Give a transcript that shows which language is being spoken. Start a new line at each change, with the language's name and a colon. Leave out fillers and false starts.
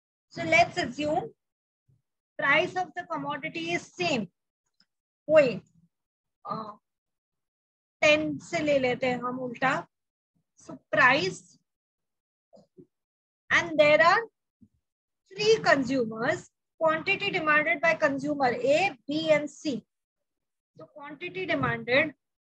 English: So let's assume price of the commodity is same.
Hindi: कोई 10 से ले लेते हैं हम उल्टा.
English: So price and there are three consumers. quantity demanded by consumer A, B, and C. So quantity demanded.